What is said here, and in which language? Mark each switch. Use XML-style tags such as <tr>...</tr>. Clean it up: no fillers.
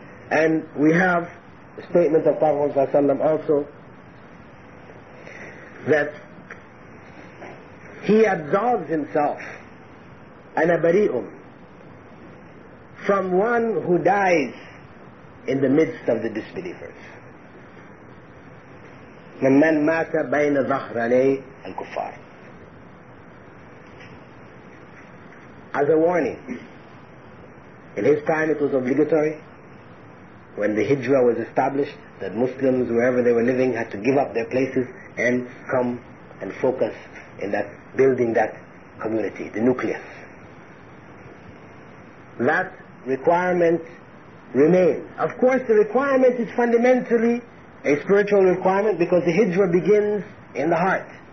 <en>And we have a statement of Prophet Muhammad sallallahu alaihi wasallam also, that he absolves himself,</en> <ar>ana bari'um,</ar> <en>from one who dies in the midst of the disbelievers.</en> <ar>مَنْ مَاتَ بَيْنَ ظَهْرَنَيْ الْكُفَّارِ,</ar> <en>as a warning. In his time it was obligatory, when the hijrah was established, that Muslims, wherever they were living, had to give up their places and come and focus in that building, that community, the nucleus. That requirement remains. Of course, the requirement is fundamentally a spiritual requirement, because the hijrah begins in the heart.</en>